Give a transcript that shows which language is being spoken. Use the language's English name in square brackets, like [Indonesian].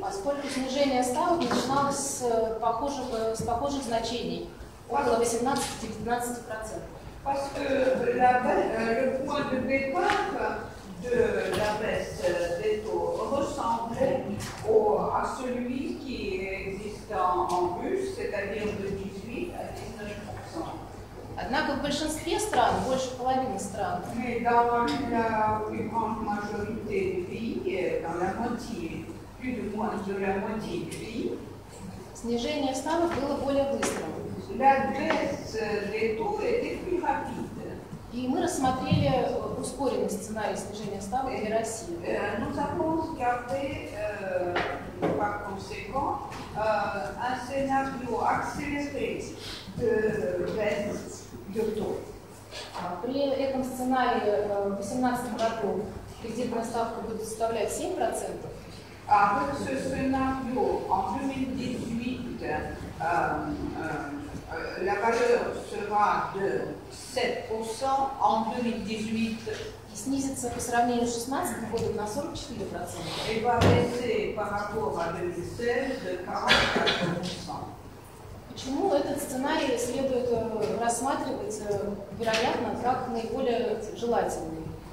[Russian] поскольку снижение ставок начиналось с похожих значений, около 18-19%. [French] Parce que le point de départ de la baisse des taux ressemblait à celui qui existe en Russie, c'est-à-dire de 18 à 19%. [Russian] Однако в большинстве стран, больше половины стран. [French] Mais dans la plus grande majorité des pays, dans la moitié, plus de moins de la moitié des pays, [Russian] снижение ставок было более быстрым. [French] La baisse des taux était plus rapide. [Russian] И мы рассмотрели ускоренный сценарий снижения ставок для России. [French] Nous avons gardé, par conséquent, un scénario accéléré de baisse des taux. [Russian] При этом сценарии в 2018 году кредитная ставка будет составлять 7%. [French] Avec ce scénario, en 2018, la valeur sera de 7% en 2018. [Russian] И снизится по сравнению с 2016 годом на 44%. [French] Et va baisser par rapport à 2016 de 44%. [Russian] Почему этот сценарий следует рассматривать, вероятно, как наиболее желательный?